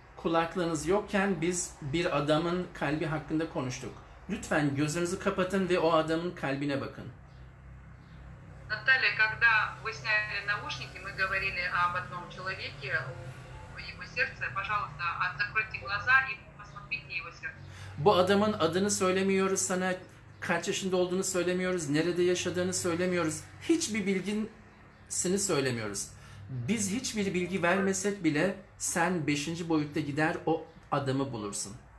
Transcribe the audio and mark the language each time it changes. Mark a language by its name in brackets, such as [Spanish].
[Turkish] kulaklığınız yokken biz bir adamın kalbi hakkında konuştuk. Lütfen gözünüzü kapatın ve o adamın kalbine bakın. [Russian] Наталья, когда вы сняли наушники, мы говорили об одном человеке, его сердце. Пожалуйста, закройте глаза и посмотрите его сердце. [Turkish] Bu adamın adını söylemiyoruz sana. Kaç yaşında olduğunu söylemiyoruz, nerede yaşadığını söylemiyoruz. Hiçbir bilgisini söylemiyoruz. Biz hiçbir bilgi vermesek bile sen 5. boyutta gider o adamı bulursun.